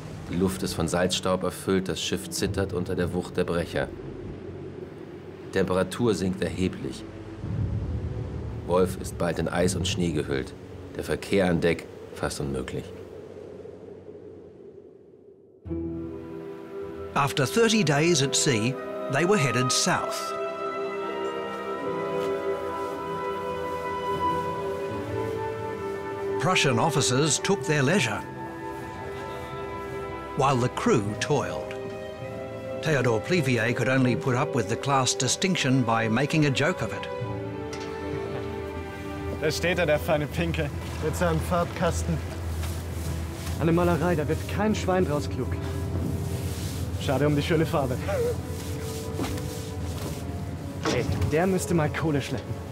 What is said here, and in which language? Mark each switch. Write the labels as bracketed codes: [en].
[de] Die Luft ist von Salzstaub erfüllt, das Schiff zittert unter der Wucht der Brecher. Die Temperatur sinkt erheblich. Wolf ist bald in Eis und Schnee gehüllt, der Verkehr an Deck fast unmöglich. [en] After 30 days at sea, they were headed south. Prussian officers took their leisure while the crew toiled. Theodore Plivier could only put up with the class distinction by making a joke of it. [de] Da steht er, der feine Pinke, mit seinem Farbkasten. Eine Malerei, da wird kein Schwein draus klug. Schade um die schöne Farbe. Hey, der müsste mal Kohle schleppen.